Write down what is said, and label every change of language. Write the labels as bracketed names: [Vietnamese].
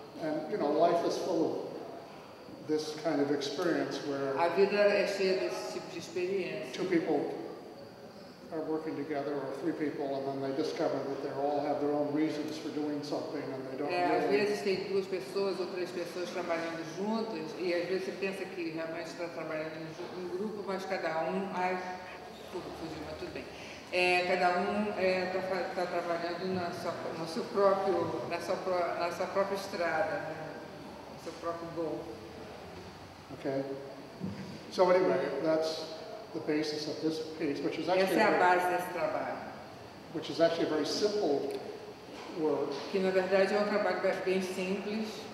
[English] And, you know, life is full of this kind of experience where [Portuguese] a vida é cheia desse tipo de experiência. [English] Two people are working together, or three people, and then they discover that they all have their own reasons for doing something, and they don't. [Portuguese] Às vezes tem duas pessoas ou três pessoas trabalhando juntas, e às vezes você pensa que realmente está trabalhando em grupo, mas cada um, cada um está trabalhando na sua própria estrada, né? No seu próprio gol. [English] Okay. So anyway, that's the basis of this piece, which is actually [Portuguese] essa é a base desse trabalho, [English] which is actually a very simple work, [Portuguese] que na verdade é um trabalho bem simples.